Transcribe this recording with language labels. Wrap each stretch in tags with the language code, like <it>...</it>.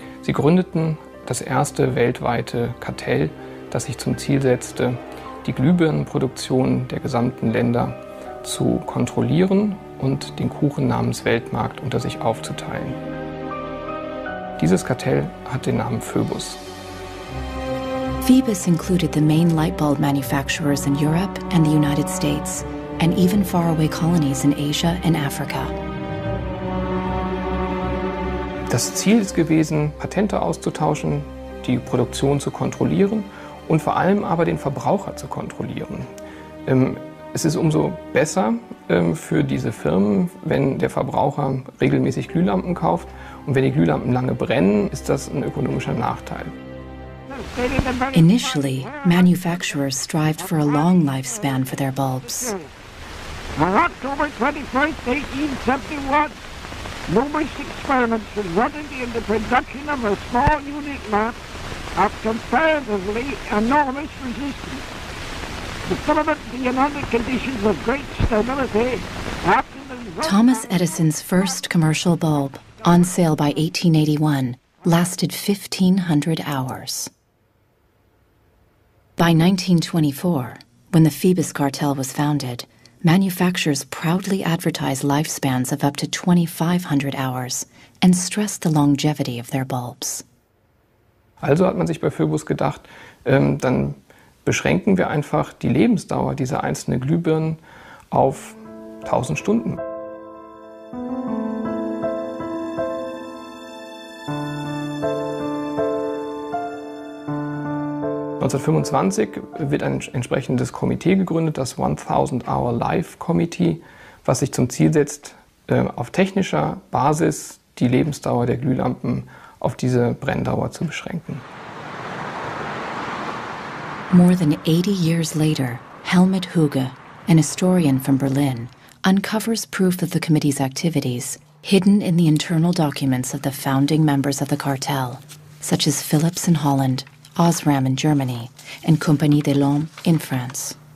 <de>Sie gründeten das erste weltweite Kartell, das sich zum Ziel setzte, die Glühbirnenproduktion der gesamten Länder zu kontrollieren und den Kuchen namens Weltmarkt unter sich aufzuteilen. Dieses Kartell hat den Namen Phoebus.</de> <en>Phoebus included the main light bulb manufacturers in Europe and the United States and even faraway colonies in Asia and Africa.</en> <de>Das Ziel ist gewesen, Patente auszutauschen, die Produktion zu kontrollieren und vor allem aber den Verbraucher zu kontrollieren. Es ist umso besser für diese Firmen, wenn der Verbraucher regelmäßig Glühlampen kauft. Und wenn die Glühlampen lange brennen, ist das ein ökonomischer Nachteil.</de> <en>Initially, manufacturers strived for a long lifespan for their bulbs. On October 21st, 1871, numerous experiments resulted in the production of a small unit lamp of comparatively enormous resistance. The filament being under conditions of great stability. Thomas Edison's first commercial bulb, on sale by 1881, lasted 1,500 hours. By 1924, when the Phoebus cartel was founded, manufacturers proudly advertised lifespans of up to 2,500 hours and stressed the longevity of their bulbs.</en> <de>Also hat man sich bei Phoebus gedacht, dann beschränken wir einfach die Lebensdauer dieser einzelnen Glühbirnen auf 1000 Stunden. Wird ein entsprechendes Komitee gegründet, das 1000-Hour-Life-Committee, was sich zum Ziel setzt, auf technischer Basis die Lebensdauer der Glühlampen auf diese Brenndauer zu beschränken.</de> <en>More than 80 years later, Helmut Hüge, an historian from Berlin, uncovers proof of the committee's activities hidden in the internal documents of the founding members of the cartel, such as Philips in Holland, Osram in Germany and Compagnie des Lampes in France.</en>